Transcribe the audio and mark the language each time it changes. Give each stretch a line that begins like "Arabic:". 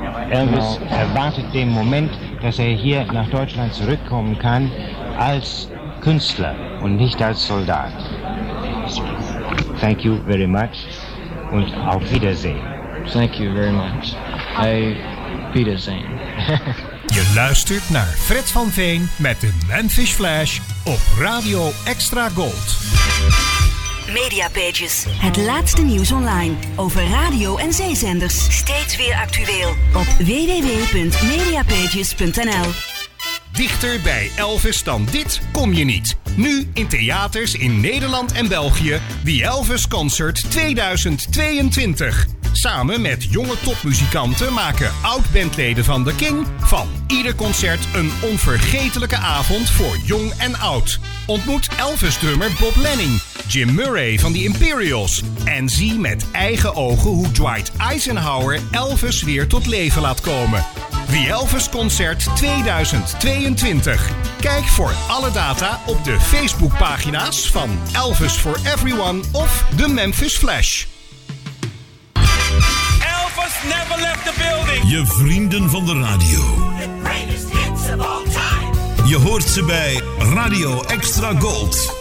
German: Elvis erwartet den Moment, dass er hier nach Deutschland zurückkommen kann als Künstler und nicht als Soldat.
English: Thank you very much
German: und auf Wiedersehen.
English: Thank you very much. I Wiedersehen.
Dutch: Je luistert naar Fred van Veen met de Memphis Flash op Radio Extra Gold.
English: Media Pages.
Dutch: Het laatste nieuws online over radio en zeezenders. Steeds weer actueel op www.mediapages.nl. Dichter bij Elvis dan dit kom je niet. Nu in theaters in Nederland en België.
English: The Elvis Concert 2022.
Dutch: Samen met jonge topmuzikanten maken oud-bandleden van The King van ieder concert een onvergetelijke avond voor jong en oud. Ontmoet Elvis-drummer Bob Lenning, Jim Murray van The Imperials en zie met eigen ogen hoe Dwight Eisenhower Elvis weer tot leven laat komen.
English: The Elvis Concert 2022.
Dutch: Kijk voor alle data op de Facebookpagina's van Elvis for Everyone of The Memphis Flash.
English: Elvis never left the building.
Dutch: Je vrienden van de radio.
English: The greatest hits of all time.
Dutch: Je hoort ze bij Radio Extra Gold.